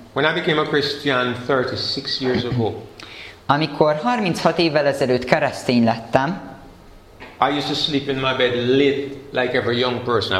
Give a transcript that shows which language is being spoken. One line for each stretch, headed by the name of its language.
English: When I became a Christian 36 years ago,
Hungarian: amikor 36 évvel ezelőtt keresztény lettem,
English: I used to sleep in my bed late like every young person.